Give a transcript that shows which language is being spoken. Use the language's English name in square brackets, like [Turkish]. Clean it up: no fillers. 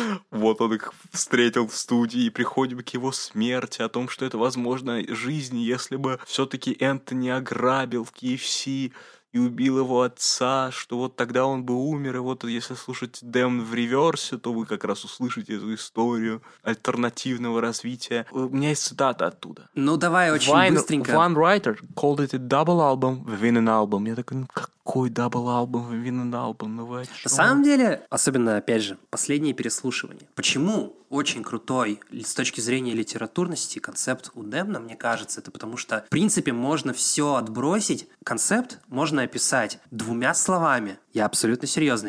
[Russian] вот он их встретил в студии, и приходим к его смерти, о том, что это, возможно, жизнь, если бы все-таки Энтони ограбил в KFC и убил его отца, что вот тогда он бы умер, и вот если слушать Дэм в реверсе, то вы как раз услышите эту историю альтернативного развития. У меня есть цитата оттуда. Ну давай очень быстренько. [English] One writer called it a double album within an album. [Russian] Я такой, ну какой [English] double album within an album? [Russian] Ну вы о чём? На самом деле, особенно, опять же, последнее переслушивание. Почему очень крутой с точки зрения литературности концепт у Дэмна, мне кажется, это потому что, в принципе, можно все отбросить. Концепт можно описать двумя словами. Я абсолютно серьезно.